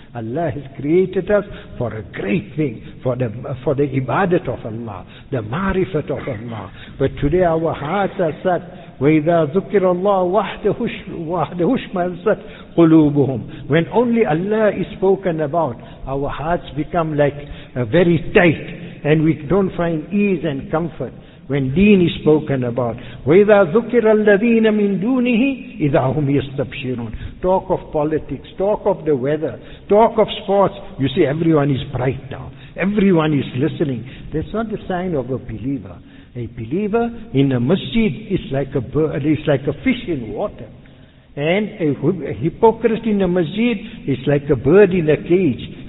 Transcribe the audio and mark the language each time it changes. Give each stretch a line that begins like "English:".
English: Allah has created us for a great thing, for the ibadat of Allah, the marifat of Allah. But today our hearts are such,
Arabic: وَإِذَا ذُكِرَ اللَّهُ وَحْدَهُ اشْمَأَزَّتْ قُلُوبُهُمْ.
English: When only Allah is spoken about, our hearts become like very tight, and we don't find ease and comfort. When deen is spoken about,
Arabic: وَإِذَا ذُكِرَ الَّذِينَ مِن دُونِهِ إِذَا هُمْ يَسْتَبْشِرُونَ.
English: Talk of politics, talk of the weather, talk of sports, you see everyone is bright now. Everyone is listening. That's not the sign of a believer. A believer in a masjid is like a bird, is like a fish in water. And a hypocrite in a masjid is like a bird in a cage.